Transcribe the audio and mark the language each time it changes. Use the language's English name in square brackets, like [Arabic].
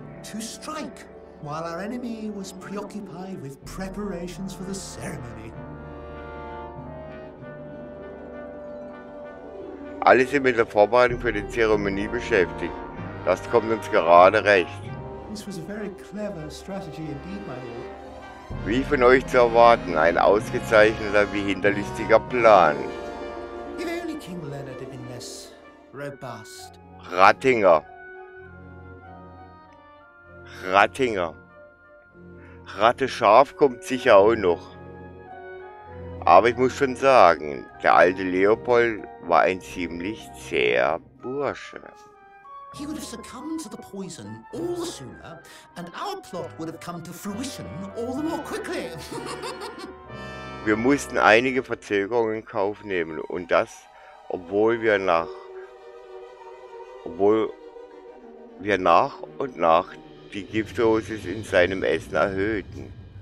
[English] To strike, while our enemy was preoccupied with preparations for the ceremony. [German] Alle sind mit der Vorbereitung für die Zeremonie beschäftigt. Das kommt uns gerade recht. [English] This was a very clever strategy indeed, my lord. [German] Wie von euch zu erwarten, ein ausgezeichneter wie hinterlistiger Plan. [English] If only King Leonard had been less robust. [German] Rattinger. Ratte scharf kommt sicher auch noch. Aber ich muss schon sagen, der alte Leopold war ein ziemlich zäher Bursche. [English] He would have succumbed to the poison all the sooner, and our plot would have come to fruition all the more quickly. [German] Wir mussten einige Verzögerungen in Kauf nehmen, und das, obwohl wir nach und nach die Giftdosis in seinem Essen erhöhten.